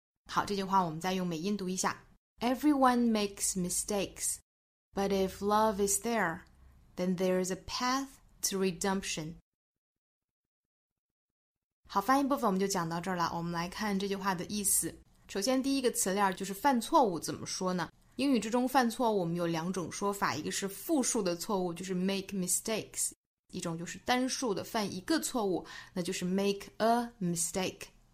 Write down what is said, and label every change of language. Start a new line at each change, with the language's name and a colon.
Chinese: 好，这句话我们再用美音读一下。
English: Everyone makes mistakes, but if love is there, then there is a path to redemption.
Chinese: 好，发音部分我们就讲到这儿了。我们来看这句话的意思。首先第一个词链就是犯错误怎么说呢？英语之中犯错误我们有两种说法，一个是复数的错误，就是 make mistakes, 一种就是单数的犯一个错误，那就是 make a mistake.